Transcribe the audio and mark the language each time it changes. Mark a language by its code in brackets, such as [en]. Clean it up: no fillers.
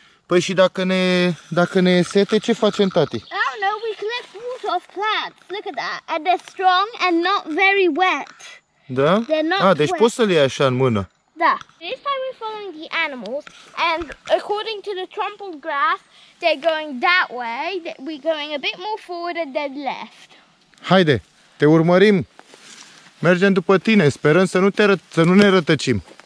[ro] Păi și dacă ne sete, ce facem, tati? [en] I don't know, we collect water off plants. Look at that. And they're strong and not very wet. [ro] Da? Deci poți să-l iei așa în mână. Da. [en] This time we're following the animals and according to the trampled grass, they're going that way, we're going a bit more forward and then left. [ro] Haide, te urmărim. Mergem după tine, sperăm să nu ne rătăcim.